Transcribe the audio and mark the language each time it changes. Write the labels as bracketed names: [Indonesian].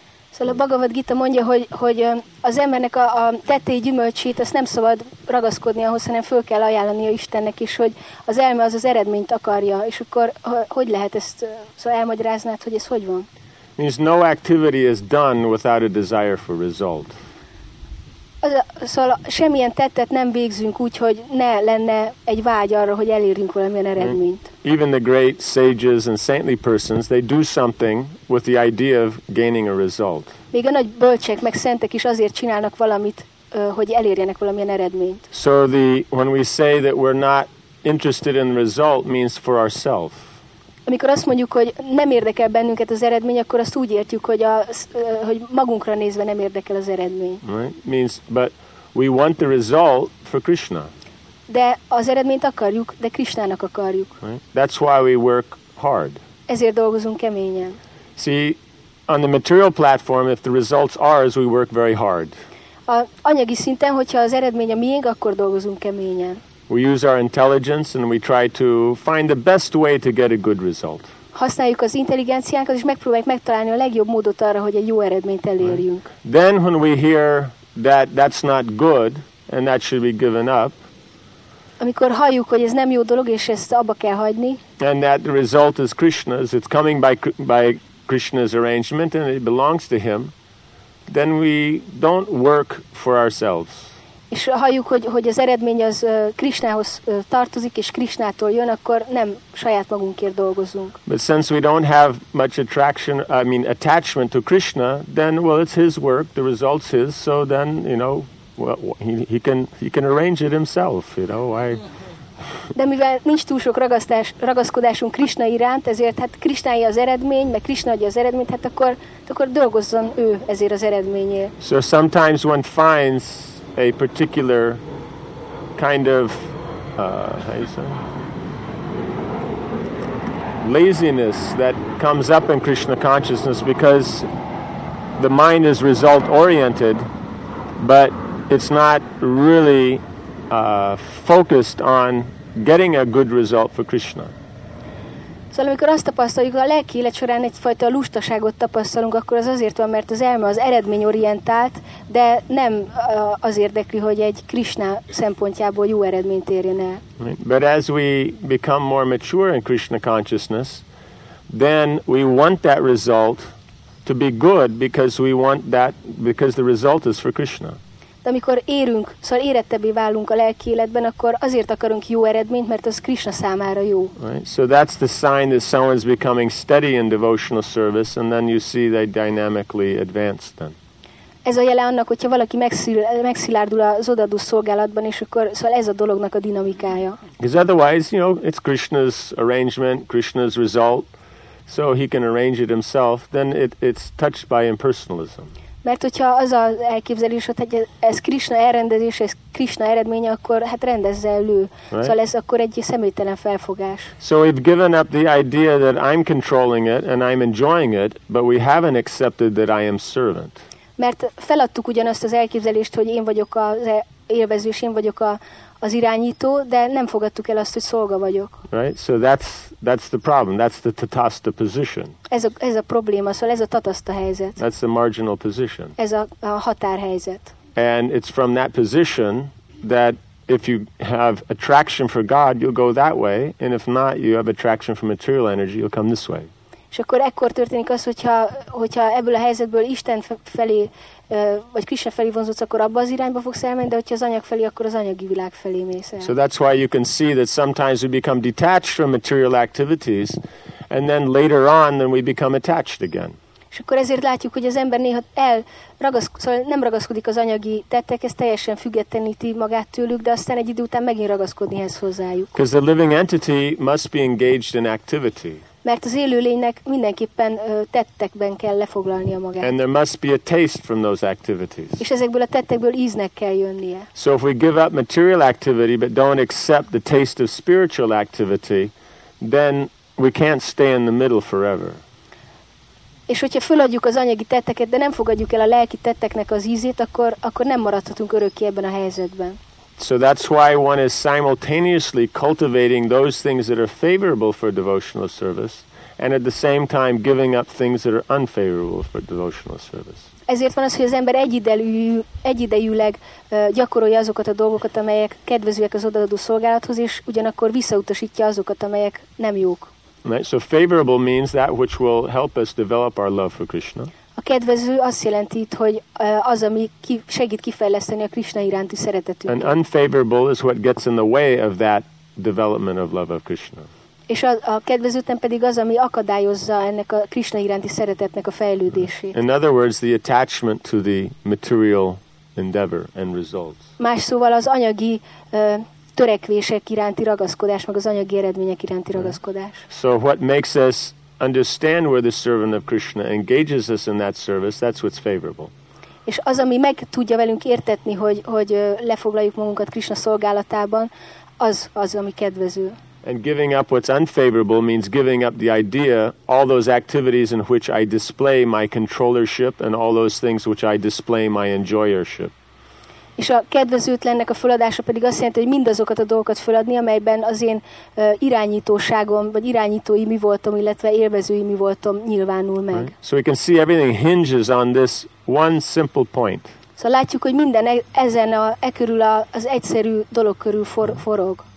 [Hungarian] Szóval a Bhagavad Gita mondja, hogy az embernek a tetei gyümölcsét azt nem szabad ragaszkodni ahhoz, hanem föl kell ajánlani a Istennek is, hogy az elme az az eredményt akarja. És akkor hogy lehet ezt, szóval elmagyaráznád, hogy ez hogy van? [English] Means no activity is done without a desire for result. [Hungarian] Szóval semmilyen tettet nem végzünk úgy, hogy ne lenne egy vágy arra, hogy elérjünk valamilyen eredményt. [English] Even the great sages and saintly persons, they do something with the idea of gaining a result. [Hungarian] Még a nagy bölcsek meg szentek is azért csinálnak valamit, hogy elérjenek valamilyen eredményt. [English] So the when we say that we're not interested in the result means for ourselves. [Hungarian] Amikor azt mondjuk, hogy nem érdekel bennünket az eredmény, akkor azt úgy értjük, hogy magunkra nézve nem érdekel az eredmény. [English] Right. Means, but we want the result for Krishna. [Hungarian] De az eredményt akarjuk, de Krishnának akarjuk. [English] Right. That's why we work hard. [Hungarian] Ezért dolgozunk keményen. [English] See, on the material platform, if the result's ours, we work very hard. [Hungarian] A anyagi szinten, hogyha az eredmény a miénk, akkor dolgozunk keményen. [English] We use our intelligence and we try to find the best way to get a good result. [Hungarian] Használjuk az intelligenciánkat, és megpróbáljuk megtalálni a legjobb módot arra, hogy egy jó eredményt elérjünk. [English] Right. Then when we hear that that's not good and that should be given up. [Hungarian] Amikor halljuk, hogy ez nem jó dolog és ezt abba kell hagyni. [English] And that the result is Krishna's, it's coming by Krishna's arrangement and it belongs to him. Then we don't work for ourselves. [Hungarian] És halljuk, hogy az eredmény az Krishnához tartozik, és Krishnától jön, akkor nem saját magunkért dolgozunk. [English] But since we don't have much attraction, I mean attachment to Krishna, then well, it's his work, the result's his, so then, you know, well, he can arrange it himself, you know. [Hungarian] De mivel nincs túl sok ragaszkodásunk Krishna iránt, ezért hát Krishnáé az eredmény, meg Krishna adja az eredményt, hát akkor dolgozzon ő ezért az eredményért. [English] So sometimes one finds a particular kind of how you say, laziness that comes up in Krishna consciousness because the mind is result oriented, but it's not really focused on getting a good result for Krishna. [Hungarian] Szóval amikor azt tapasztaljuk, a lelki élet során egyfajta lustaságot tapasztalunk, akkor az azért van, mert az elme az eredményorientált, de nem az érdekli, hogy egy Krishna szempontjából jó eredményt érjen el. [English] But as we become more mature in Krishna consciousness, then we want that result to be good because we want that, because the result is for Krishna. [Hungarian] De amikor érünk, szóval érettebbé válunk a lelki életben, akkor azért akarunk jó eredményt, mert az Krishna számára jó. [English] Right. So that's the sign that someone's becoming steady in devotional service, and then you see they dynamically advance then. [Hungarian] Ez a jele annak, hogyha valaki megszilárdul az odaadó szolgálatban, és akkor szóval ez a dolognak a dinamikája. [English] Because otherwise, you know, it's Krishna's arrangement, Krishna's result, so he can arrange it himself, then it's touched by impersonalism. [Hungarian] Mert hogyha az az elképzelés, hogy ez Krishna elrendezés, ez Krishna eredménye, akkor hát rendezze elő. [English] Right. [Hungarian] Szóval ez akkor egy személytelen felfogás. [English] So we've given up the idea that I'm controlling it and I'm enjoying it, but we haven't accepted that I am servant. [Hungarian] Mert feladtuk ugyanazt az elképzelést, hogy én vagyok az élvező, és én vagyok az irányító, de nem fogadtuk el azt, hogy szolga vagyok. [English] Right, so that's the problem, that's the tatasta position. [Hungarian] Ez a probléma, szóval ez a tatasta helyzet. [English] That's the marginal position. [Hungarian] Ez a határhelyzet. [English] And it's from that position that if you have attraction for God, you'll go that way, and if not, you have attraction for material energy, you'll come this way. [Hungarian] És akkor ekkor történik az, hogyha ebből a helyzetből Isten felé, vagy Krisna felé vonzódsz, akkor abba az irányba fogsz elmenni, de hogyha az anyag felé, akkor az anyagi világ felé mész el. [English] So that's why you can see that sometimes we become detached from material activities, and then later on, then we become attached again. [Hungarian] És akkor ezért látjuk, hogy az ember néha nem ragaszkodik az anyagi tettekhez, teljesen függetleníti magát tőlük, de aztán egy idő után megint ragaszkodni ehhez hozzájuk. [English] Because the living entity must be engaged in activity. [Hungarian] Mert az élő lénynek mindenképpen tettekben kell lefoglalnia magát. [English] And there must be a taste from those activities. [Hungarian] És ezekből a tettekből íznek kell jönnie. [English] So if we give up material activity but don't accept the taste of spiritual activity, then we can't stay in the middle forever. [Hungarian] És hogyha feladjuk az anyagi tetteket, de nem fogadjuk el a lelki tetteknek az ízét, akkor nem maradhatunk örökké ebben a helyzetben. [English] So that's why one is simultaneously cultivating those things that are favorable for devotional service and at the same time giving up things that are unfavorable for devotional service. [Hungarian] Ezért van az, hogy az ember egyidejűleg gyakorolja azokat a dolgokat, amelyek kedvezőek az odaadó szolgálathoz, és ugyanakkor visszautasítja azokat, amelyek nem jók. [English] Right? So favorable means that which will help us develop our love for Krishna. [Hungarian] A kedvező azt jelenti, hogy az, ami segít kifejleszteni a Krishna iránti szeretetünket. [English] And unfavorable is what gets in the way of that development of love of Krishna. [Hungarian] És a kedvezőtlen pedig az, ami akadályozza ennek a Krishna iránti szeretetnek a fejlődését. [English] In other words, the attachment to the material endeavor and results. [Hungarian] Más szóval az anyagi törekvések iránti ragaszkodás, meg az anyagi eredmények iránti ragaszkodás. [English] So what makes us understand where the servant of Krishna engages us in that service, that's what's favorable. [Hungarian] És az, ami meg tudja velünk értetni, hogy lefoglaljuk magunkat Krishna szolgálatában, az, ami kedvező. [English] And giving up what's unfavorable means giving up the idea, all those activities in which I display my controllership and all those things which I display my enjoyership. [Hungarian] És a kedvezőtlennek a feladása pedig azt jelenti, hogy mindazokat a dolgokat feladni, amelyben az én irányítóságom, vagy irányítói mi voltam, illetve élvezői mi voltam nyilvánul meg. [English] Right. So we can see everything hinges on this one simple point. [Hungarian] Szóval látjuk, hogy minden ezen e körül az egyszerű dolog körül forog.